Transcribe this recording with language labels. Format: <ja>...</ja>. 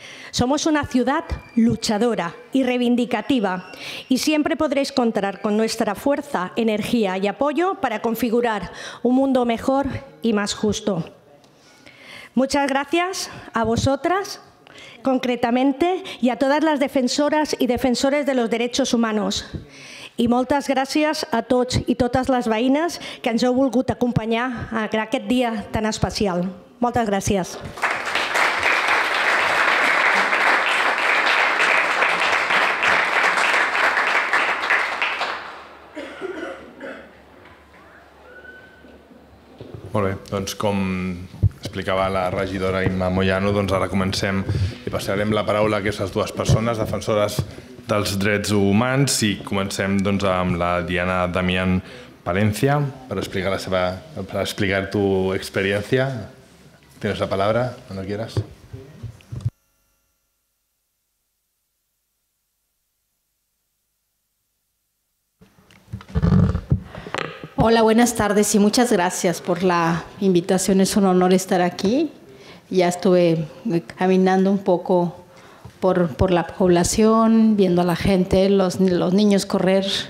<es>Somos una ciudad luchadora y reivindicativa y siempre podréis contar con nuestra fuerza, energía y apoyo para configurar un mundo mejor y más justo. Muchas gracias a vosotras, concretamente, y a todas las defensoras y defensores de los derechos humanos.</es> <ca>Y moltes gràcies a tots i totes les veïnes que ens heu volgut acompanyar en aquest dia tan especial. Moltes gràcies. Molt bé, doncs com explicava la regidora Imma Moyano, doncs ara comencem i passarem la paraula a aquestes dues persones defensores dels drets humans i comencem doncs amb la Diana Damián Palencia per explicar la seva, per explicar tu experiència.</ca> <es>Tienes la palabra cuando quieras. Hola, buenas tardes y muchas gracias por la invitación. Es un honor estar aquí. Ya estuve caminando un poco por la población, viendo a la gente, los niños correr.</es>